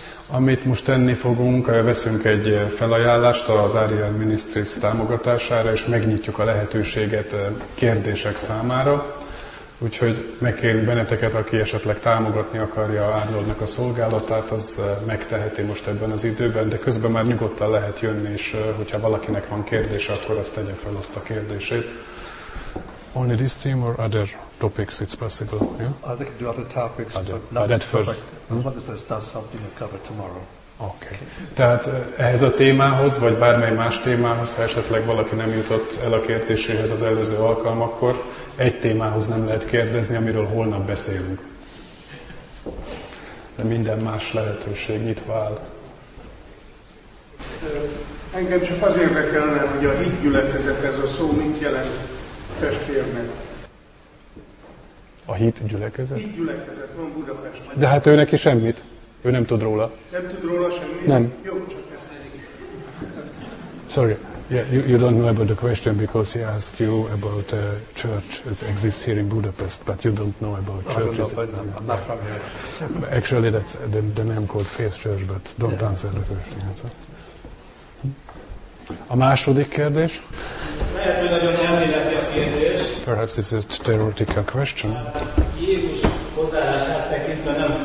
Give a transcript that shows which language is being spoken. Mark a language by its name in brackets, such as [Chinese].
[Hungarian] Amit most tenni fogunk, veszünk egy felajánlást az Ariel Ministries támogatására, és megnyitjuk a lehetőséget kérdések számára. Úgyhogy megkérni benneteket, aki esetleg támogatni akarja Arnoldnak a szolgálatát, az megteheti most ebben az időben, de közben már nyugodtan lehet jönni, és hogyha valakinek van kérdése, akkor azt tegye fel azt a kérdését. [English] Only this theme or other topics it's possible? Yeah? I think do other topics, but not that first. As long as there's not something you cover tomorrow. Okay. [Hungarian] Tehát ehhez a témához, vagy bármely más témához, ha esetleg valaki nem jutott el a kérdéséhez az előző alkalmakkor, egy témához nem lehet kérdezni, amiről holnap beszélünk. De minden más lehetőség nyitva áll. Engem csak az érdekelne, hogy a hitgyülekezethez a szó mit jelent testvérnek. A hitgyülekezet? Hitgyülekezet van Budapesten. De hát ő neki semmit. Ő nem tud róla. Nem tud róla semmit? Nem. Jó, csak ezt. [English] Sorry. Yeah, you don't know about the question because he asked you about a church that exists here in Budapest, but you don't know about churches. I'm not from here. Actually, that's the name called Faith Church, but don't answer the question. Yeah, so. [Hungarian] A második kérdés? Lehet, hogy nagyon elméleti a kérdés. [English] Perhaps it's a theoretical question. [Hungarian] Jézus hozzáállását tekintve nem